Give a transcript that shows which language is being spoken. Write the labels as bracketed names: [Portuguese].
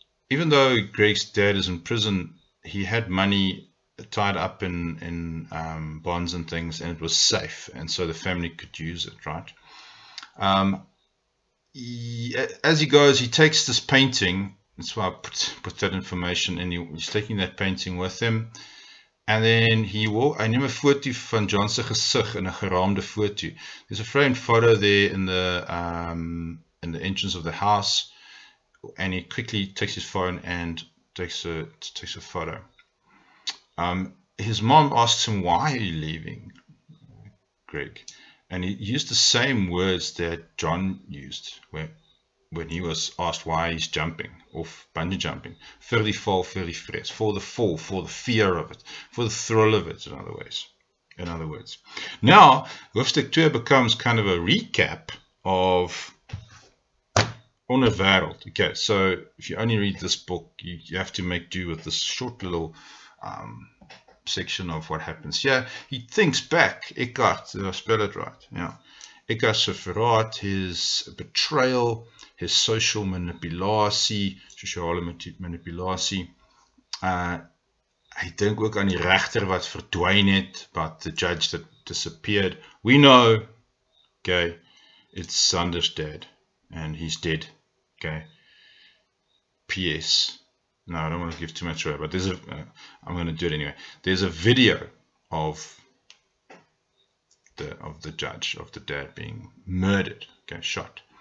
[English] Even though Greg's dad is in prison, he had money tied up in bonds and things, and it was safe, and so the family could use it, right? As he goes, he takes this painting. That's why I put that information in. He's taking that painting with him. And then I [Afrikaans] neem 'n foto van John se gesig in 'n geraamde foto. [English] There's a framed photo there in the entrance of the house, and he quickly takes his phone and takes a photo. His mom asks him, why are you leaving, Greg? And he used the same words that John used when he was asked why he's jumping off bungee jumping. [Afrikaans] Vir die val, vir die vrees. [English] For the fall, for the fear of it, for the thrill of it, in other words. Now, hoofstuk 2 becomes kind of a recap of Onderwereld. Okay, so if you only read this book, you have to make do with this short little section of what happens here. He thinks back, Eckhart, did I spell it right? Yeah. [Afrikaans] Eckhart se verraad, [English] his betrayal, his social [Afrikaans] manipulatie, sociale manipulatie. Hy dink ook aan die regter wat verdwyn het, [English] but the judge that disappeared. We know, okay, it's Sander's dad, and he's dead, okay. P.S. No, I don't want to give too much away, but there's a, I'm going to do it anyway. There's a video of the judge, of the dad being murdered, okay, shot.